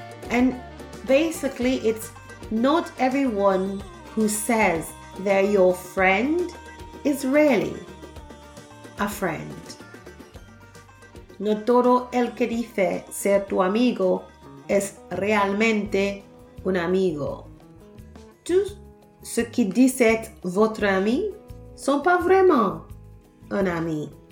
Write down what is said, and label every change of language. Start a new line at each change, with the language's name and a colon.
English: And basically, it's not everyone who says they're your friend is really a friend.
Spanish: No todo el que dice ser tu amigo es realmente un amigo.
French: Tous ceux qui disent votre ami sont pas vraiment un ami.